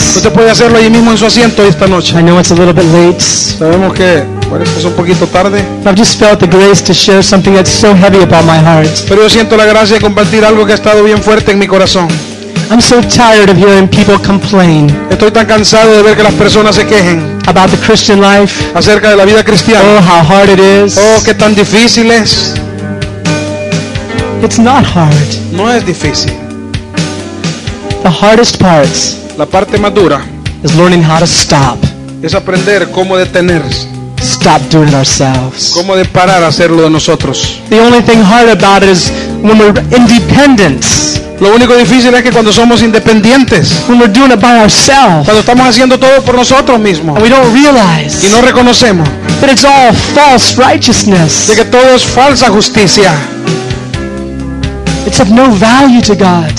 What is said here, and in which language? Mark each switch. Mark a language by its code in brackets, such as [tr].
[es] Usted puede hacerlo allí mismo en su asiento esta noche. [en] I know it's a little bit late. [es] Sabemos que. Es un poquito tarde. [en] I've just felt the grace to share something that's so heavy upon my heart. [es] Pero yo siento la gracia de compartir algo que ha estado bien fuerte en mi corazón. [en] I'm so tired of hearing people complain. [es] Estoy tan cansado de ver que las personas se quejen. [en] About the Christian life. [es] Acerca de la vida cristiana. [en] Oh, how hard it is. [es] Oh, qué tan difícil es. [en] It's not hard. [es] No es difícil. [en] The hardest parts. [es] La parte más dura. [en] Is learning how to stop. [es] Es aprender cómo detenerse. [en] Stop doing it ourselves. [es] ¿Cómo de parar hacerlo de nosotros? [en] The only thing hard about it is when we're independent. [es] Lo único difícil es que cuando somos independientes. [en] When we're doing it by ourselves. [es] Cuando estamos haciendo todo por nosotros mismos. [en] And we don't realize. [es] Y no reconocemos. [en] That it's all false righteousness. [es] De que todo es falsa justicia. [en] It's of no value to God.